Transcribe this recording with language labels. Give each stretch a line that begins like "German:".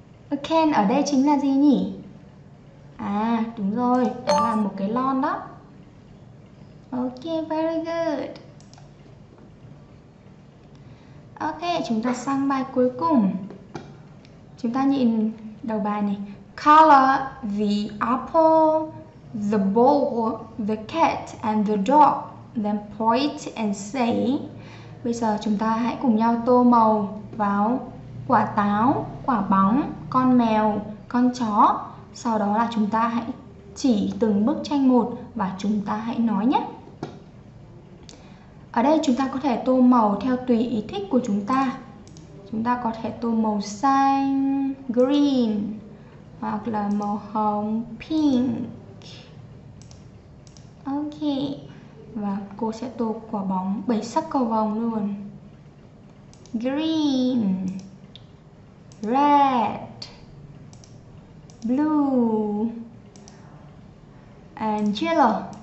Vietnamese: A can ở đây chính là gì nhỉ? À, đúng rồi, đó là một cái lon đó.
English: Ok, very good.
Vietnamese: Ok, chúng ta sang bài cuối cùng. Chúng ta nhìn đầu bài này.
English: Color the apple, the ball, the cat and the dog. Then point and say.
Vietnamese: Bây giờ chúng ta hãy cùng nhau tô màu vào quả táo, quả bóng, con mèo, con chó. Sau đó là chúng ta hãy chỉ từng bức tranh một và chúng ta hãy nói nhé. Ở đây chúng ta có thể tô màu theo tùy ý thích của chúng ta. Chúng ta có thể tô màu xanh, green, hoặc là màu hồng, pink. Ok. Và cô sẽ tô quả bóng 7 sắc cầu vồng luôn.
English: Green, red, blue and yellow.